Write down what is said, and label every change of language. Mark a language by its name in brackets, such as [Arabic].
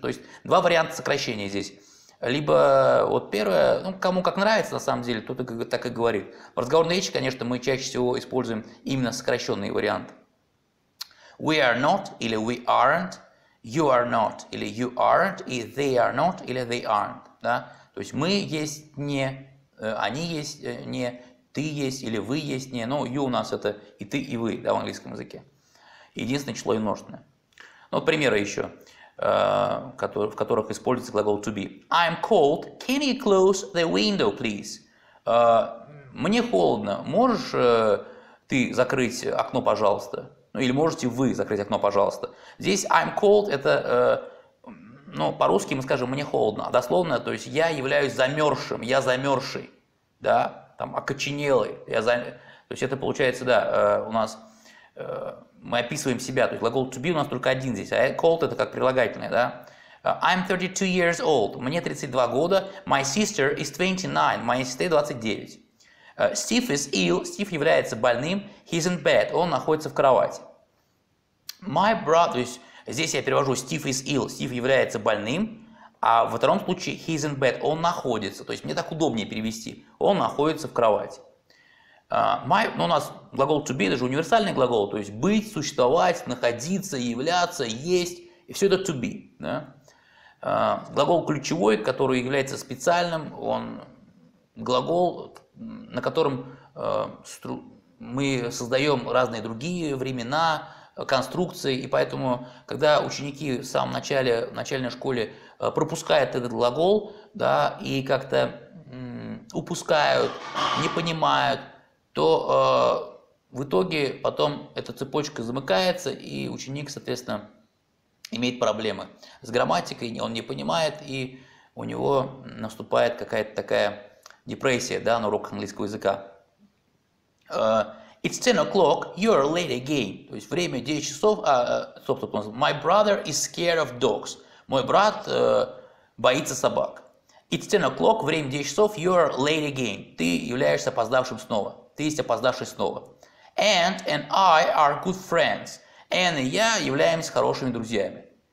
[Russian] То есть два варианта сокращения здесь. Либо вот первое, ну, кому как нравится, на самом деле, тот так и говорит. В разговорной речи, конечно, мы чаще всего используем именно сокращенный вариант. [English] We are not или we aren't, you are not или you aren't, и they are not или they aren't. [Russian] Да? То есть мы есть не, они есть не, ты есть или вы есть не, но you у нас это и ты, и вы, да, в английском языке. Единственное число и множественное. Ну, примеры еще. В которых используется глагол to be. [English] I'm cold. Can you close the window, please? [Russian] Мне холодно. Можешь ты закрыть окно, пожалуйста? Ну, или можете вы закрыть окно, пожалуйста? Здесь [English] I'm cold [Russian] – это, ну, по-русски мы скажем «мне холодно». А дословно, то есть я являюсь замерзшим, я замерзший, да, там, окоченелый. То есть это получается, да, у нас… мы описываем себя, то есть глагол to be у нас только один здесь, а cold это как прилагательное, да? [English] I'm 32 years old, [Russian] мне 32 года, [English] my sister is 29, [Russian] моя сестра 29. [English] Steve is ill, [Russian] Steve является больным, [English] he's in bed, [Russian] он находится в кровати. My brother, то есть здесь я перевожу [English] Steve is ill, [Russian] Steve является больным, а во втором случае [English] he's in bed, [Russian] он находится, то есть мне так удобнее перевести, он находится в кровати. Ну, у нас глагол to be, это же универсальный глагол, то есть быть, существовать, находиться, являться, есть, и все это to be. Да? Глагол ключевой, который является специальным, он глагол, на котором мы создаем разные другие времена, конструкции, и поэтому, когда ученики в самом начале, в начальной школе пропускают этот глагол, да, и как-то упускают, не понимают, то в итоге потом эта цепочка замыкается, и ученик, соответственно, имеет проблемы с грамматикой, он не понимает, и у него наступает какая-то такая депрессия, да, на уроках английского языка. [English] It's 10 o'clock, you're late again. [Russian] То есть время 9 часов, а, собственно, [English] my brother is scared of dogs. [Russian] Мой брат боится собак. [English] It's 10 o'clock, [Russian] время 9 часов, [English] you're late again. [Russian] Ты являешься опоздавшим снова. Ты есть опоздавший снова. [English] And I are good friends. [Russian] And я являемся хорошими друзьями.